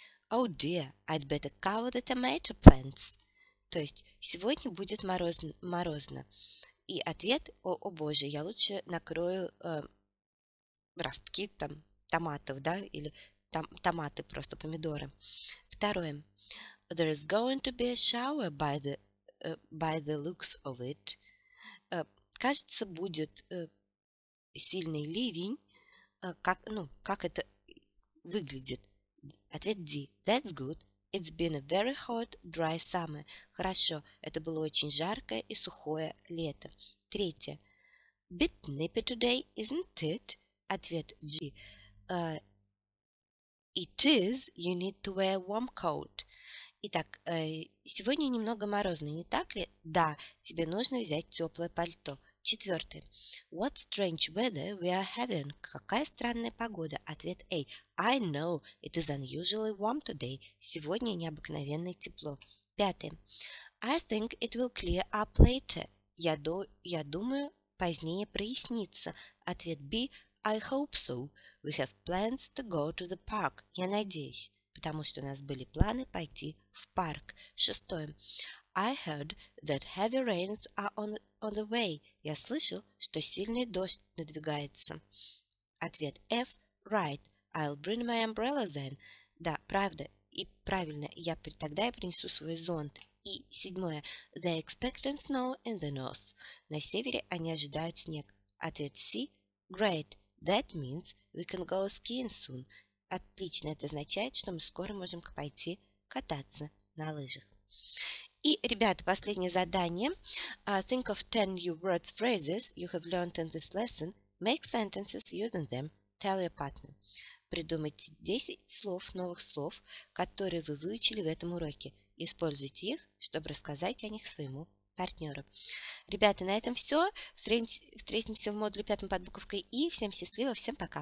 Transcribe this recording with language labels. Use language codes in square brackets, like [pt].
[en] Oh dear, I'd better cover the tomato plants. [ru] То есть, сегодня будет морозно. И ответ, о боже, я лучше накрою ростки там томатов, да, или томаты просто, помидоры. Второе. [en] There is going to be a shower by the looks of it. [ru] Кажется, будет сильный ливень. Как это выглядит? Ответ D. [en] That's good. It's been a very hot, dry summer. [ru] Хорошо. Это было очень жаркое и сухое лето. Третье. [en] Bit nippy today, isn't it? [ru] Ответ G. [en] It is, you need to wear a warm coat. [ru] Итак, сегодня немного морозно, не так ли? Да, тебе нужно взять теплое пальто. Четвертое. [en] What strange weather we are having. [ru] Какая странная погода? Ответ A. [en] I know, it is unusually warm today. [ru] Сегодня необыкновенное тепло. Пятое. [en] I think it will clear up later. [ru] Я думаю, позднее прояснится. Ответ B. [en] I hope so. We have plans to go to the park. [ru] Я надеюсь, потому что у нас были планы пойти в парк. Шестое. [en] I heard that heavy rains are on the way. [ru] Я слышал, что сильный дождь надвигается. Ответ F. [en] Right. I'll bring my umbrella then. [ru] Да, правда. И правильно. Тогда я принесу свой зонт. И седьмое. [en] They expect snow in the north. [ru] На севере они ожидают снег. Ответ C. [en] Great. That means we can go skiing soon. [ru] Отлично, это означает, что мы скоро можем пойти кататься на лыжах. И, ребята, последнее задание. [en] Think of 10 new words, phrases you have learned in this lesson. Make sentences using them. Tell your partner. [ru] Придумайте 10 слов, новых слов, которые вы выучили в этом уроке. Используйте их, чтобы рассказать о них своему партнеру. Ребята, на этом все. Встретимся в модуле 5 под буковкой И. Всем счастливо, всем пока.